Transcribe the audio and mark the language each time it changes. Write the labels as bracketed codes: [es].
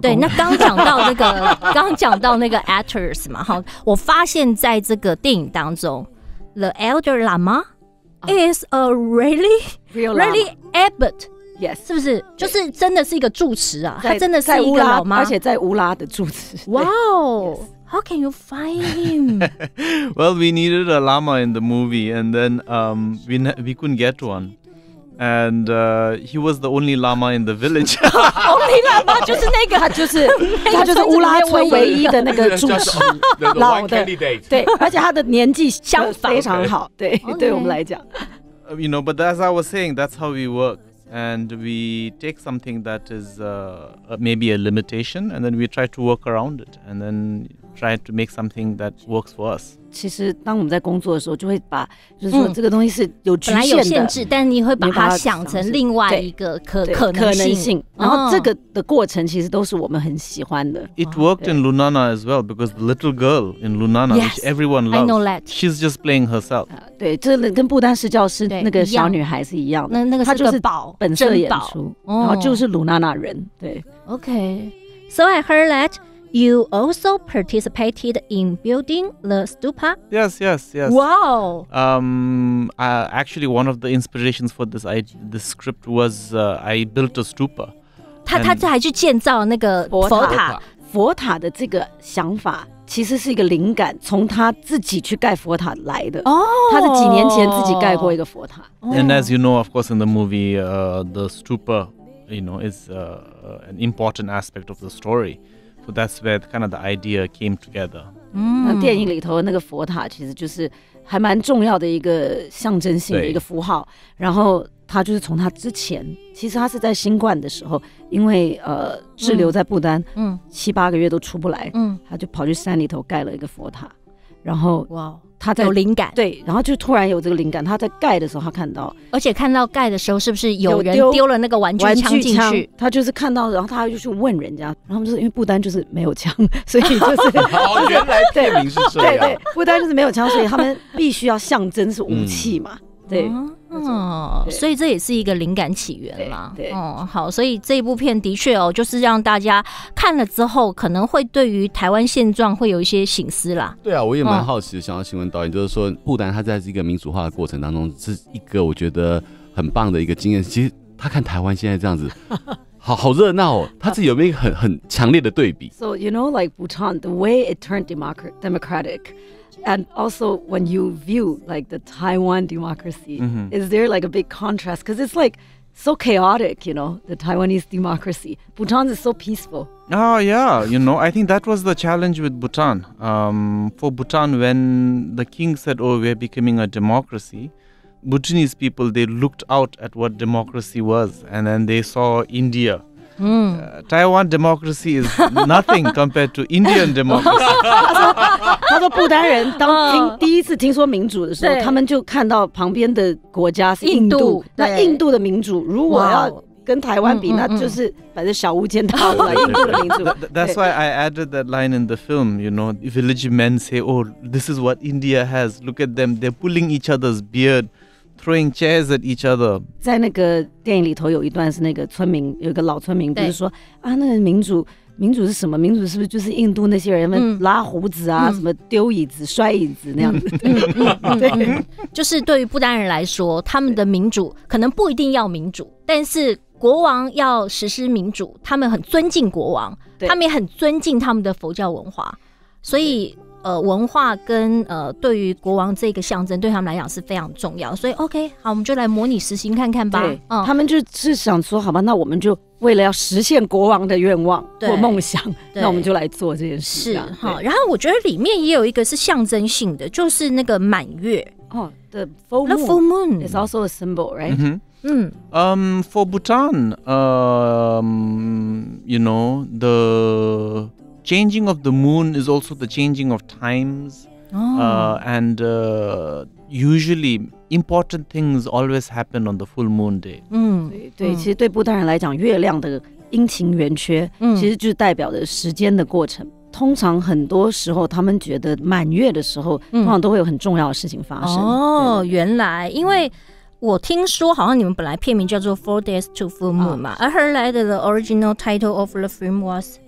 [zh] 对，那刚讲到这个刚讲到那个 actors 嘛，好，我发现在这个电影当中 [en] The Elder Lama is a really really abbot， yes， [zh] 是不是就是真的是一个住持啊，他真的是一个老妈，而且在乌拉的住持。 [en] 哇哦，How can you find him? Well, we needed a llama in the movie, and then we couldn't get one. And he was the only llama in the village. Only llama [zh] 就是那个，他就是乌拉村唯一的那个主持老的，对，而且他的年纪相非常好，对， okay. 对我们来讲。 [en] You know, but as I was saying, that's how we work. And we take something that is maybe a limitation, and then we try to work around it, and then try to make something that works for us. [zh] 其实当我们在工作的时候，就会把就是说这个东西是有局限的，本来有限制，但你会把它想成另外一个可能性。然后这个的过程其实都是我们很喜欢的。 [en] It worked in Lunana as well because the little girl in Lunana, yes, which everyone loves, I know that. She's just playing herself. [zh] 对，这跟布丹斯教师那个小女孩是一样的。那个她就是宝，本色演出，然后就是Lunana人。对 [en] ，OK. So I heard that. You also participated in building the stupa? Yes, yes, yes. Wow! Actually, one of the inspirations for this script was I built a stupa. [zh] 他还去建造那个佛塔。佛塔的这个想法其实是一个灵感，从他自己去盖佛塔来的。他是几年前自己盖过一个佛塔。 [en] And as you know, of course, in the movie, the stupa, you know, is an important aspect of the story. So that's where the, kind of the idea came together. [zh] 那电影里头那个佛塔其实就是还蛮重要的一个象征性的一个符号。然后他就是从他之前，其实他是在新冠的时候，因为滞留在不丹，七八个月都出不来，他就跑去山里头盖了一个佛塔。然后哇，他在有灵感，对，然后就突然有这个灵感。他在盖的时候，他看到，而且看到盖的时候，是不是有人丢了那个玩具枪进去枪？他就是看到，然后他就去问人家，然后就是因为不丹就是没有枪，所以就是原来片名是这样，对对，不丹就是没有枪，所以他们必须要象征是武器嘛，对。所以这也是一个灵感起源啦。对，好，所以这部片的确就是让大家看了之后，可能会对于台湾现状会有一些醒思啦。对啊，我也蛮好奇的，想要请问导演，就是说不丹它在一个民主化的过程当中，是一个我觉得很棒的一个经验。其实他看台湾现在这样子，好热闹哦，他自己有没有很强烈的对比 [en] ？So you know, like Bhutan, the way it turned democratic. And also, when you view like the Taiwan democracy,、is there like a big contrast? Because it's like so chaotic, you know, the Taiwanese democracy. Bhutan is so peaceful. Oh, yeah. You know, I think that was the challenge with Bhutan. For Bhutan, when the king said, oh, we're becoming a democracy, Bhutanese people, they looked out at what democracy was. And then they saw India. Taiwan democracy is nothing compared to Indian democracy. [zh] 他说不丹人当听第一次听说民主的时候，他们就看到旁边的国家是印度，那印度的民主如果要跟台湾比，那就是反正小巫见大巫了。印度的民主。 [en] That's why I added that line in the film. You know, village men say, "Oh, this is what India has. Look at them. They're pulling each other's beard." Throwing chairs at each other. [zh] 在那个电影里头有一段是那个村民，有一个老村民就是说啊，那个民主是什么？民主是不是就是印度那些人们拉胡子啊，什么丢椅子、摔椅子那样子？对，就是对于不丹人来说，他们的民主可能不一定要民主，但是国王要实施民主，他们很尊敬国王，他们也很尊敬他们的佛教文化，所以文化跟对于国王这个象征对他们来讲是非常重要，所以 OK 好，我们就来模拟实行看看吧。对，他们就是想说好吧，那我们就为了要实现国王的愿望或梦想，那我们就来做这件事。是，然后我觉得里面也有一个是象征性的，就是那个满月 [en] The full moon, the full moon is also a symbol, right? Mm-hmm. For Bhutan, you know, the changing of the moon is also the changing of times. And usually important things always happen on the full moon day. [zh] 对，其实对布丹人来讲，月亮的阴晴圆缺，其实就是代表的时间的过程。通常很多时候他们觉得满月的时候通常都会有很重要的事情发生。原来因为我听说好像你们本来片名叫做 Four Days to Full Moon 嘛，而后来的 [en] original title of the film was